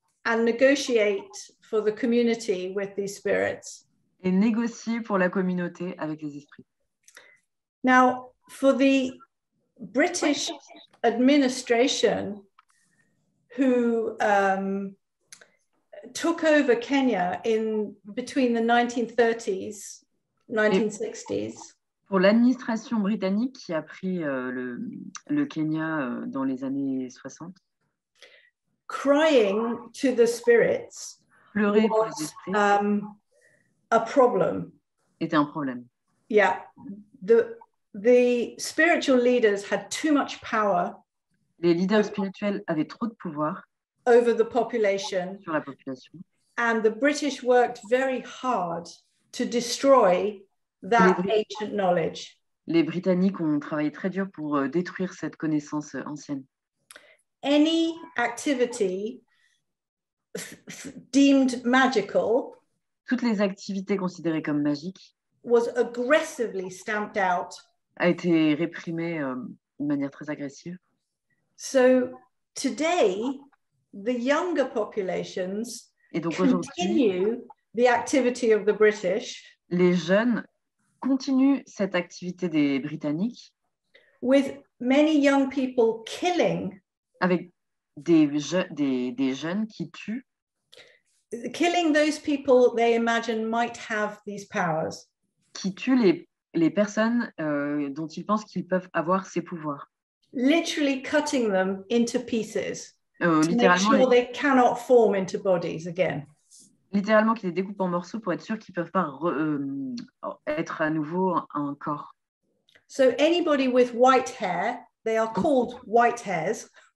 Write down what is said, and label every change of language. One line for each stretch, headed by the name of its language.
English: And negotiate for the community with these spirits.
French: Et négocier pour la communauté avec les esprits.
English: Now, for the British administration who took over Kenya in between the 1930s, 1960s.
French: Pour l'administration britannique qui a pris le Kenya dans les années 60.
English: Crying to the spirits
French: pleurer
English: was
French: pour les esprits,
English: a problem.
French: Était un problème.
English: Yeah. The spiritual leaders had too much power.
French: Les leaders spirituels avaient trop de pouvoir
English: over the population.
French: Sur la population.
English: And the British worked very hard to destroy that ancient knowledge.
French: Les Britanniques ont travaillé très dur pour détruire cette connaissance ancienne.
English: Any activity deemed magical,
French: toutes les activités considérées comme magiques,
English: was aggressively stamped out,
French: a été réprimée de manière très agressive.
English: So today, the younger populations continue the activity of the British.
French: Les jeunes continuent cette activité des Britanniques.
English: With many young people killing.
French: Avec des jeunes qui tuent.
English: Killing those people they imagine might have these powers.
French: Qui tuent les personnes dont ils pensent qu'ils peuvent avoir ces pouvoirs.
English: Literally cutting them into pieces. To make sure they cannot form into bodies again.
French: Littéralement qui les découpent en morceaux pour être sûr qu'ils ne peuvent pas être à nouveau un corps.
English: So anybody with white hair, they are called white hairs.